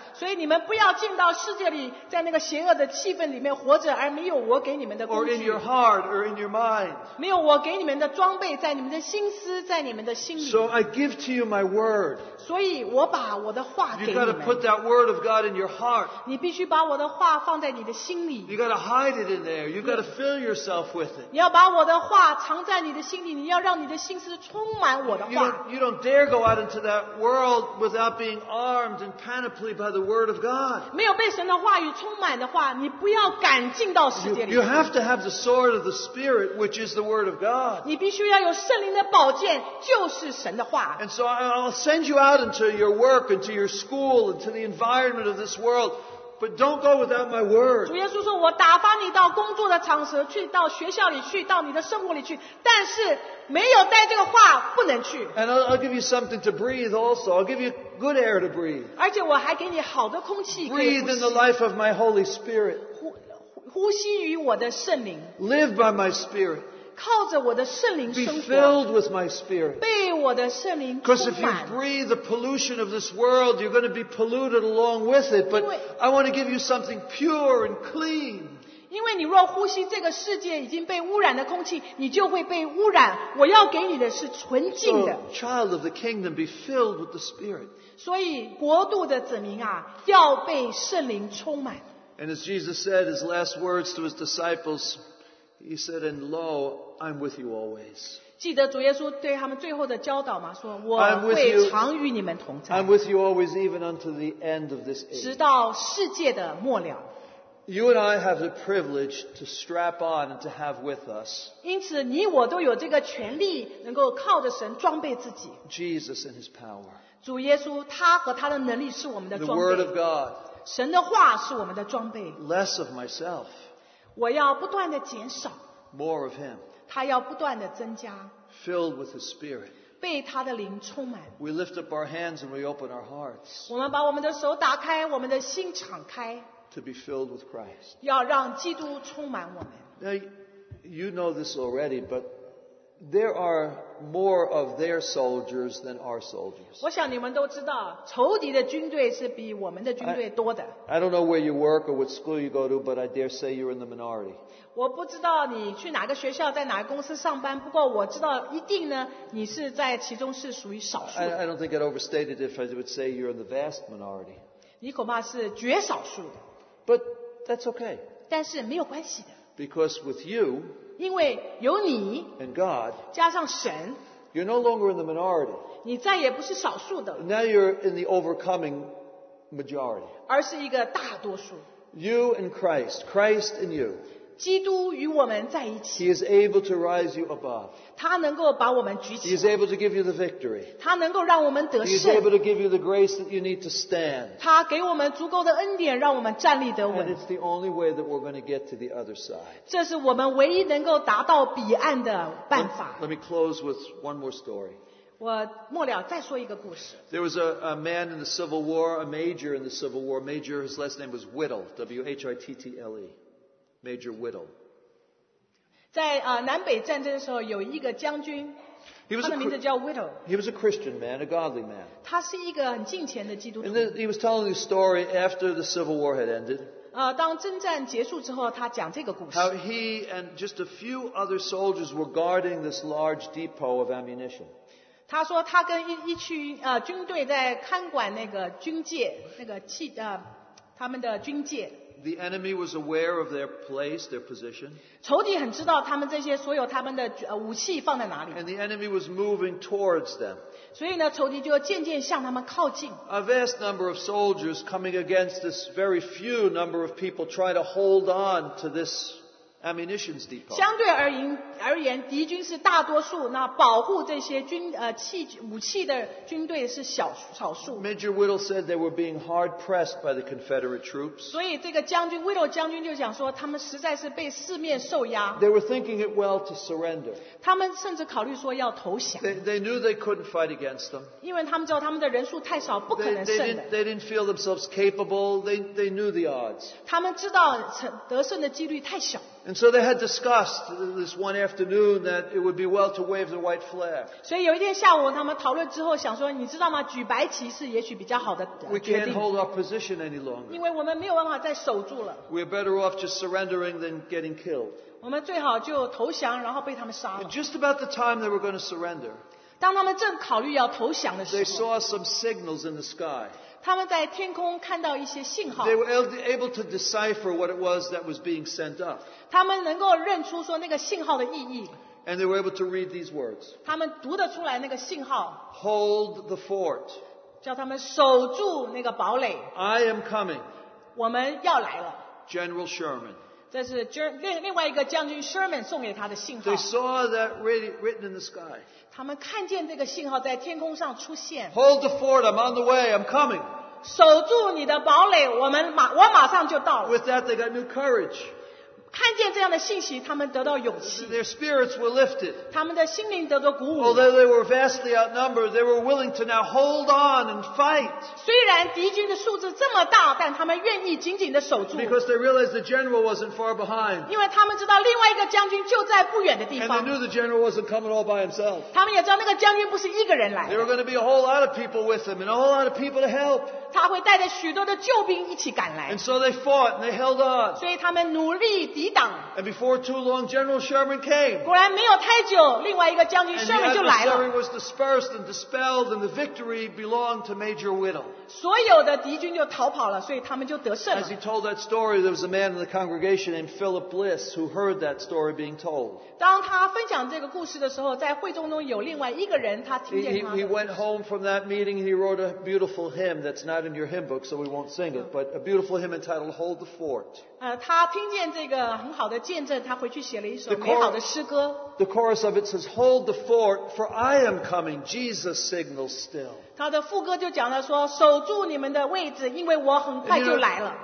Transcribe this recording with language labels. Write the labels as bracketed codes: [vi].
[zh] 所以你们不要进到世界里，在那个邪恶的气氛里面活着，而没有我给你们的工具。 [en] Or in your heart, or in your mind. [zh] 没有我给你们的装备，在你们的心思，在你们的心里。 [en] So I give to you my word. [zh] 所以我把我的话给你们。 [en] You've got to put that word of God in your heart. [zh] 你必须把我的话放在你的心里。 [en] You've got to hide it in there. You've got to fill yourself with it. [zh] 你要把我的话藏在你的心里，你要让你的心思充满我的话。 [en] You don't dare go out into that world without being armed and panoplied by the word of God. [zh] 没有被神的话语充满的话，你不要敢进到世界里。 [en] You have to have the sword of the Spirit, which is the word of God. [zh] 你必须要有圣灵的宝剑，就是神的话。 [en] And so I'll send you out into your work, into your school, into the environment of this world. But don't go without my word. [zh] 主耶稣说，我打发你到工作的场所去，到学校里去，到你的生活里去，但是没有带这个话不能去。 [en] And I'll give you something to breathe also. I'll give you good air to breathe. [zh] 而且我还给你好的空气。 [en] Breathe in the life of my Holy Spirit. [zh] 呼吸于我的圣灵。 [en] Live by my Spirit. [zh] 靠着我的圣灵生活。 [en] Be filled with my Spirit. [zh] 被我的圣灵充满。 [en] Because if you breathe the pollution of this world, you're going to be polluted along with it. But I want to give you something pure and clean. [zh] 因为你若呼吸这个世界已经被污染的空气，你就会被污染。我要给你的是纯净的。 [en] So, child of the kingdom, be filled with the Spirit. [zh] 所以国度的子民啊，要被圣灵充满。 [en] And as Jesus said, his last words to his disciples, he said, and lo, I'm with you always. [zh] 记得主耶稣对他们最后的教导吗？说我会常与你们同在。 [en] I'm with you always even unto the end of this age. [zh] 直到世界的末了。 [en] You and I have the privilege to strap on and to have with us. [zh] 因此你我都有这个权利能够靠着神装备自己。 [en] Jesus and his power. [zh] 主耶稣他和他的能力是我们的装备。 [en] The word of God. [zh] 神的话是我们的装备。 [en] Less of myself. [zh] 我要不断的减少。 [en] More of him. [zh] 他要不断的增加。 [en] Filled with his spirit. [zh] 被他的灵充满。 [en] We lift up our hands and we open our hearts. [zh] 我们把我们的手打开，我们的心敞开。 [en] To be filled with Christ. [zh] 要让基督充满我们。 [en] Now, you know this already, but there are more of their soldiers than our soldiers. [zh] 我想你们都知道，仇敌的军队是比我们的军队多的。 [en] I don't know where you work or what school you go to, but I dare say you're in the minority. [zh] 我不知道你去哪个学校，在哪个公司上班，不过我知道一定呢，你是在其中是属于少数。 [en] I don't think I'd overstate it if I would say you're in the vast minority. [zh] 你恐怕是绝少数的。 [en] But that's okay. [zh] 但是没有关系的。 [en] Because with you, [zh] 因为有你 [en] and God, [zh] 加上神 [en] you're no longer in the minority. [zh] 你再也不是少数的 [en] Now you're in the overcoming majority. [zh] 而是一个大多数 [en] You and Christ, Christ and you. [zh] 基督与我们在一起 [en] He is able to rise you above. [zh] 他能够把我们举起 [en] He is able to give you the victory. [zh] 他能够让我们得胜 [en] He is able to give you the grace that you need to stand. [zh] 他给我们足够的恩典让我们站立得稳 [en] And it's the only way that we're going to get to the other side. [zh] 这是我们唯一能够达到彼岸的办法 [en] Let me close with one more story. [zh] 我末了再说一个故事 [en] There was a man in the Civil War, a major in the Civil War. Major, his last name was Whittle, W-H-I-T-T-L-E. Major Whittle. [zh] 在南北战争的时候有一个将军他的名字叫 Whittle. [en] He was a Christian man, a godly man. [zh] 他是一个很敬虔的基督徒。 [en] And then he was telling the story after the Civil War had ended. [zh] 当征战结束之后他讲这个故事。 [en] How he and just a few other soldiers were guarding this large depot of ammunition. [zh] 他说他跟一群军队在看管那个军械那个器他们的军械。 [en] The enemy was aware of their place, their position. [zh] 仇敌很知道他们这些所有他们的武器放在哪里。 [en] And the enemy was moving towards them. [zh] 所以呢，仇敌就渐渐向他们靠近。 [en] A vast number of soldiers coming against this very few number of people try to hold on to this ammunition depot. [zh] 相对而言，敌军是大多数，那保护这些军武器的军队是少数。 [en] Major Whittle said they were being hard pressed by the Confederate troops. [zh] 所以这个将军 Whittle 将军就讲说，他们实在是被四面受压。 [en] They were thinking it well to surrender. [zh] 他们甚至考虑说要投降。 [en] They knew they couldn't fight against them. [zh] 因为他们知道他们的人数太少，不可能胜的。 [en] They didn't feel themselves capable. They knew the odds. [zh] 他们知道得胜的几率太小。 [en] And so they had discussed this one afternoon that it would be well to wave the white flag. [zh] 所以有一天下午他们讨论之后想说你知道吗举白旗是也许比较好的决定。 [en] We can't hold our position any longer. [zh] 因为我们没有办法再守住了。 [en] We're better off just surrendering than getting killed. [zh] 我们最好就投降然后被他们杀了。 [en] And just about the time they were going to surrender, [zh] 当他们正考虑要投降的时候 [en] they saw some signals in the sky. [zh] 他们在天空看到一些信号。 [en] They were able to decipher what it was that was being sent up. [zh] 他们能够认出说那个信号的意义。 [en] And they were able to read these words. [zh] 他们读得出来那个信号。 [en] Hold the fort. [zh] 叫他们守住那个堡垒。 [en] I am coming. [zh] 我们要来了。 [en] General Sherman. [zh] 这是另外一个将军 Sherman 送给他的信号。 [en] They saw that written in the sky. [zh] 他们看见这个信号在天空上出现。 [en] Hold the fort, I'm on the way, I'm coming. [zh] 守住你的堡垒，我马上就到了。 [en] With that, they got new courage. [zh] 看见这样的信息，他们得到勇气。 [en] Their spirits were lifted. [zh] 他们的心灵得到鼓舞。 [en] Although they were vastly outnumbered, they were willing to now hold on and fight. [zh] 虽然敌军的数字这么大，但他们愿意紧紧的守住。 [en] Because they realized the general wasn't far behind. [zh] 因为他们知道另外一个将军就在不远的地方。 [en] And they knew the general wasn't coming all by himself. [zh] 他们也知道那个将军不是一个人来的。 [en] There were going to be a whole lot of people with him and a whole lot of people to help. [zh] 他会带着许多的救兵一起赶来。 [en] And so they fought and they held on. [zh] 所以他们努力抵挡。 [en] And before too long, General Sherman came. [zh] 果然没有太久，另外一个将军 Sherman 就来了。 [en] And the adversary was dispersed and dispelled, and the victory belonged to Major Whittle. [zh] 所有的敌军就逃跑了，所以他们就得胜了。 [en] As he told that story, there was a man in the congregation named Philip Bliss who heard that story being told. [zh] 当他分享这个故事的时候，在会众中有另外一个人，他听见他的故事。 [en] He went home from that meeting and he wrote a beautiful hymn that's not in your hymn book, so we won't sing it, but a beautiful hymn entitled Hold the Fort. [zh] 他听见这个很好的见证，他回去写了一首美好的诗歌。 [en] The chorus of it says, Hold the fort, for I am coming, Jesus signals still. [zh] 他的副歌就讲了说，守住你们的位置，因为我很快就来了。